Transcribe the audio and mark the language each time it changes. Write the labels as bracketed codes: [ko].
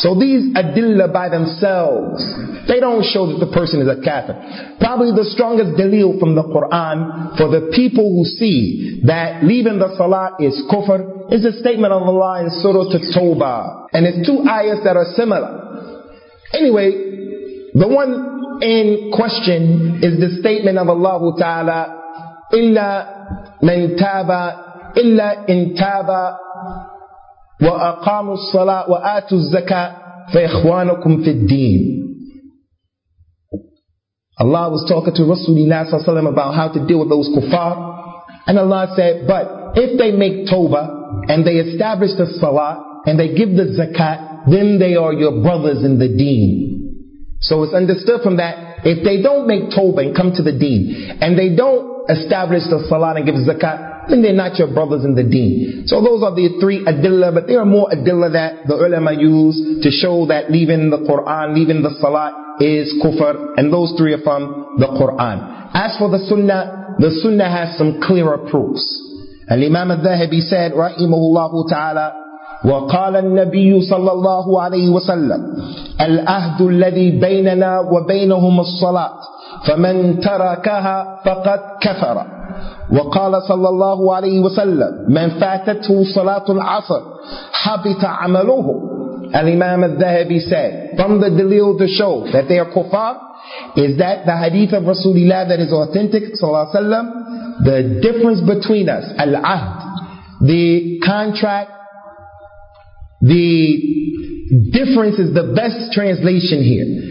[en] So these adilla by themselves, they don't show that the person is a kafir. Probably the strongest dalil from the Quran for the people who see that leaving the salat is kufr is the statement of Allah in Surah At-Tawbah. And it's two ayahs that are similar. Anyway, the one in question is the statement of Allah Ta'ala, [ar] إِلَّا مَنْ تَابَ إِلَّا إِنْ تَابَ وَأَقَامُوا الصَّلَاةَ وَآتُوا الزَّكَاةَ فَإِخْوَانُكُمْ فِي الدِّينِ. [en] Allah was talking to Rasulullah ﷺ about how to deal with those kuffar. And Allah said, but if they make tawbah and they establish the salah and they give the zakat, then they are your brothers in the deen. So it's understood from that, if they don't make tawbah and come to the deen, and they don't establish the salah and give zakat, then they're not your brothers in the deen. So those are the three adillah, but there are more adillah that the ulama use to show that leaving the Quran, leaving the salah is kufr, and those three are from the Quran. As for the sunnah has some clearer proofs. Al-Imam al-Dhahabi said, rahimahullahu ta'ala, [ar] وقال النبي صلى الله عليه وسلم الأهد الذي بيننا وبينهم الصلاة فمن تركها فقد كفر وقال صلى الله عليه وسلم من فاتته صلاة العصر حبط عمله. [en] الإمام الذهبي said, from the dalil to show that they are kuffar is that the hadith of Rasulullah that is authentic, [ar] صلى الله عليه وسلم, [en] the difference between us, العهد, the contract, the difference is the best translation here.